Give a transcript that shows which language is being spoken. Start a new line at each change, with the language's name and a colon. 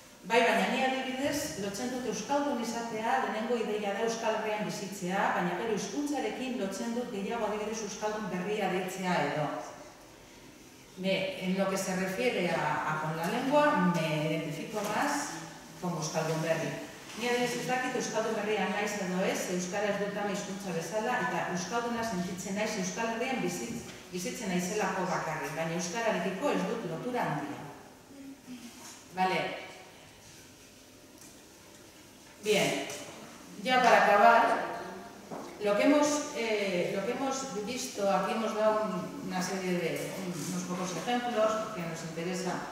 Basque: Bai, baina ni adibidez, lotzen dut euskaldun izatea, lehenengo ideia da Euskal Herrian bizitzea, baina gero hizkuntzarekin lotzen dut gehiago adibidez euskaldun berria deitzea edo.
Spanish: En lo que se refiere a con la lengua, me identifico más como euskaldun berri.
Basque: Ni adibidez ez dakit euskaldun berria naiz edo ez, euskara ez dut ama hizkuntza bezala, eta euskalduna sentitzen naiz Euskal Herrian bizitzen naizelako bakarrik, baina euskararekiko ez dut lotura handia.
Spanish: Vale. Bien, ya para acabar, lo que hemos visto, aquí hemos dado una serie de unos pocos ejemplos, que nos interesa